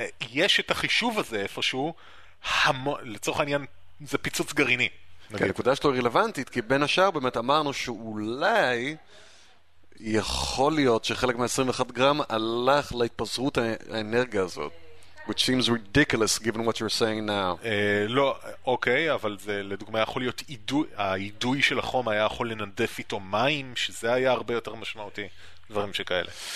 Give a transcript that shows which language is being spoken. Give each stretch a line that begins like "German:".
Hebrew: יש את החישוב הזה איפשהו, לצורך העניין זה פיצוץ גרעיני. הנקודה שלו רלוונטית, כי בין השאר באמת אמרנו שאולי יכול להיות שחלק מה-21 גרם הלך להתפזרות האנרגיה הזאת.
English: Which seems ridiculous given what you're saying now.
Hebrew: לא, אוקיי, אבל זה לדוגמה יכול להיות העידוי של החום היה יכול לנדף איתו מים, שזה היה הרבה יותר משמעותי, דברים שכאלה.